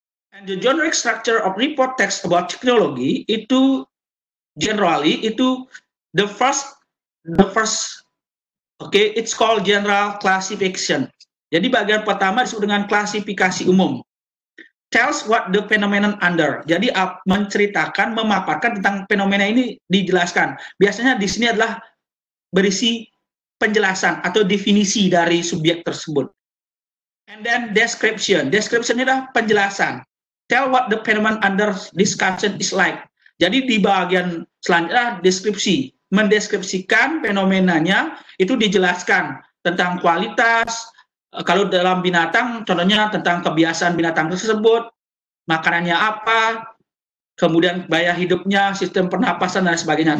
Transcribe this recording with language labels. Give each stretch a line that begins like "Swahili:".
English: And the generic structure of report text about technology itu generally itu the first, okay, it's called general classification.
Indonesian: Jadi bagian pertama disebut dengan klasifikasi umum.
English: Tells what the phenomenon under.
Indonesian: Jadi menceritakan, memaparkan tentang fenomena ini dijelaskan. Biasanya di sini adalah berisi penjelasan atau definisi dari subjek tersebut.
English: And then description. Description
Indonesian: adalah penjelasan.
English: Tell what the phenomenon under discussion is like.
Indonesian: Jadi di bagian selanjutnya deskripsi. Mendeskripsikan fenomenanya itu dijelaskan tentang kualitas, kalau dalam binatang contohnya tentang kebiasaan binatang tersebut, makanannya apa, kemudian gaya hidupnya, sistem pernapasan dan sebagainya.